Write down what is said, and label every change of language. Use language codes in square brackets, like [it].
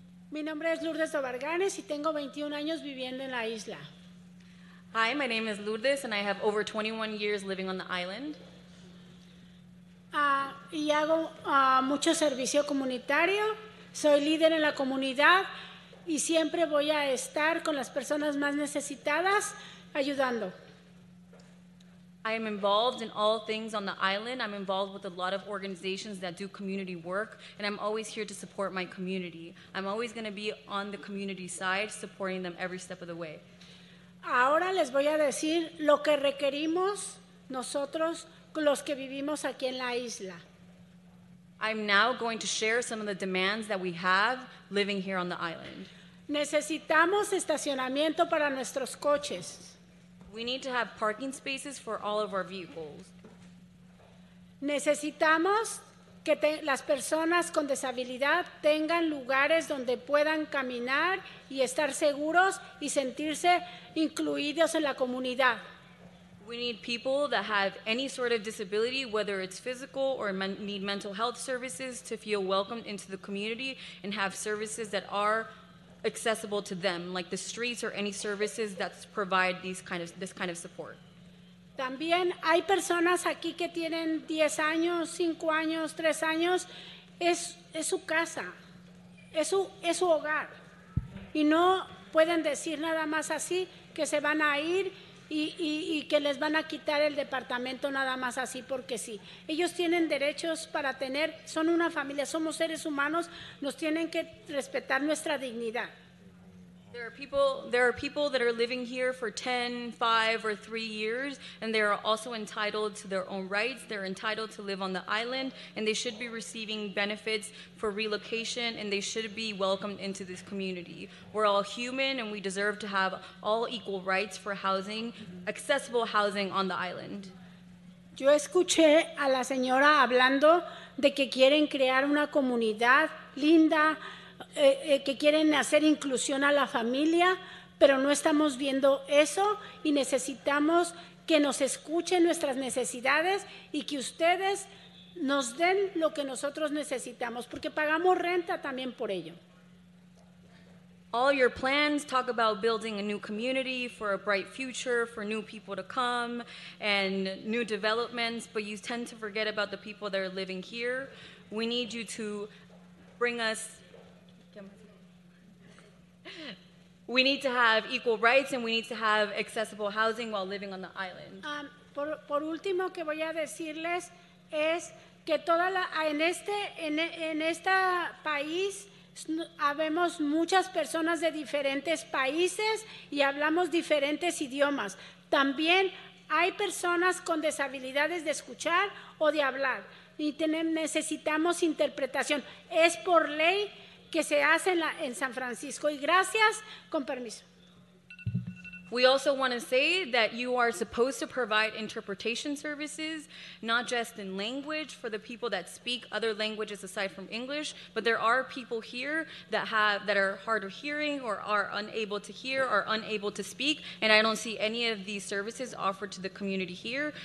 [es] Mi nombre es Lourdes Obarganes y tengo 21 años viviendo en la isla. [en] Hi, my name is Lourdes and I have over 21 years living on the island. [es] Y hago mucho servicio comunitario. Soy líder en la comunidad y siempre voy a estar con las personas más necesitadas ayudando. [en] I am involved in all things on the island. I'm involved with a lot of organizations that do community work, and I'm always here to support my community. I'm always going to be on the community side, supporting them every step of the way. [es] Ahora les voy a decir lo que requerimos nosotros, los que vivimos aquí en la isla. [en] I'm now going to share some of the demands that we have living here on the island. [es] Necesitamos estacionamiento para nuestros coches. [en] We need to have parking spaces for all of our vehicles. [es] Necesitamos que las personas con discapacidad tengan lugares donde puedan caminar y estar seguros y sentirse incluidos en la comunidad. [en] We need people that have any sort of disability, whether it's physical or need mental health services, to feel welcomed into the community and have services that are accessible to them, like the streets or any services that provide this kind of support. [es] También hay personas aquí que tienen 10 años, 5 años, 3 años. Es su casa. Es su hogar. Y no pueden decir nada más así que se van a ir y que les van a quitar el departamento nada más así porque sí. Ellos tienen derechos para tener, son una familia, somos seres humanos, nos tienen que respetar nuestra dignidad. [en] There are people that are living here for 10, 5, or 3 years, and they are also entitled to their own rights. They're entitled to live on the island, and they should be receiving benefits for relocation, and they should be welcomed into this community. We're all human, and we deserve to have all equal rights for housing, accessible housing on the island. [es] Yo escuché a la señora hablando de que quieren crear una comunidad linda, que quieren hacer inclusión a la familia, pero no estamos viendo eso y necesitamos que nos escuchen nuestras necesidades y que ustedes nos den lo que nosotros necesitamos, porque pagamos renta también por ello. [en] All your plans talk about building a new community for a bright future, for new people to come and new developments, but you tend to forget about the people that are living here. We need you to bring us We need to have equal rights and we need to have accessible housing while living on the island. [es] Por último que voy a decirles es que toda la en este país habemos muchas personas de diferentes países y hablamos diferentes idiomas. También hay personas con desabilidades de escuchar o de hablar y necesitamos interpretación. Es por ley que se hace en San Francisco. Y gracias, con permiso. [en] We also want to say that you are supposed to provide interpretation services, not just in language for the people that speak other languages aside from English, but there are people here that are hard of hearing or are unable to hear or unable to speak, and I don't see any of these services offered to the community here.